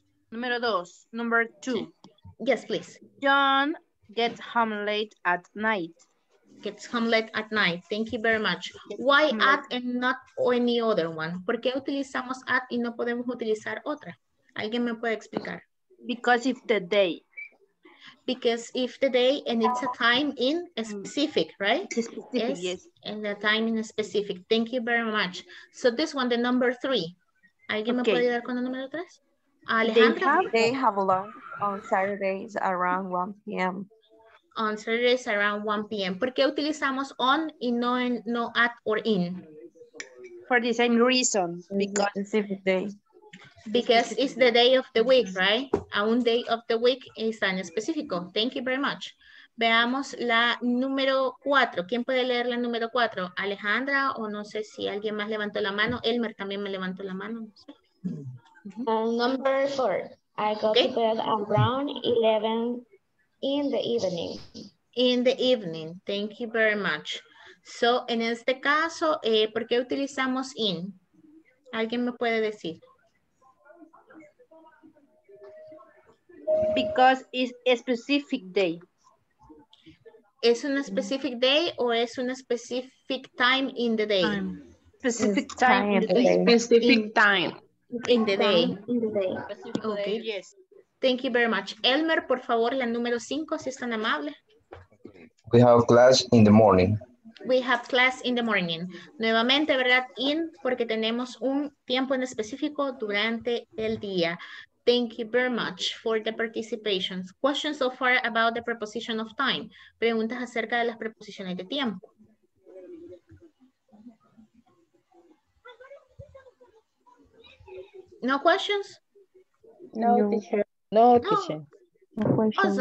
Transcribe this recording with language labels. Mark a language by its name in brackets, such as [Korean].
[Spanish] Número dos, [English] number two. Sí. Yes, please. John gets home late at night. Gets home late at night. Thank you very much. Gets why at late. And not any other one? [Spanish] ¿Por qué utilizamos at y no podemos utilizar otra? ¿Alguien me puede explicar? [English] Because if the day. Because if the day and it's a time in a specific, right? Specific, yes. Yes. And the time in a specific. Thank you very much. So this one, the number three. [Spanish] ¿Alguien okay. me puede dar con el número tres? Alejandra. [English] They have lunch on Saturdays around 1 p.m. On Saturdays around 1 p.m. [Spanish] ¿Por qué utilizamos on y no, in, no at or in? [English] For the same reason. Because specific day. Because it's the day of the week, right? [Spanish] A un [English] day of the week [Spanish] es tan específico. [English] Thank you very much. [Spanish] Veamos la número cuatro. ¿Quién puede leer la número cuatro? Alejandra, o no sé si alguien más levantó la mano. Elmer también me levantó la mano. No sé. [English] Number four. I go okay. to bed around 11 in the evening. In the evening. Thank you very much. [Spanish] So, en este caso, ¿por qué utilizamos in? ¿Alguien me puede decir? [English] Because it's a specific day. ¿Es un specific day [Spanish] o es un [English] specific time in the day? Time. Specific it's time. Time in the day. Specific in, time. In the day. In the day. Okay. Day, yes. Thank you very much. [Spanish] Elmer, por favor, la número cinco, si es tan amable. [English] We have class in the morning. We have class in the morning. [Spanish] Nuevamente, ¿verdad? In, porque tenemos un tiempo en específico durante el día. [English] Thank you very much for the participation. Questions so far about the preposition of time. [Spanish] Preguntas acerca de las preposiciones de tiempo. [English] No questions? No, teacher. No, teacher. No questions.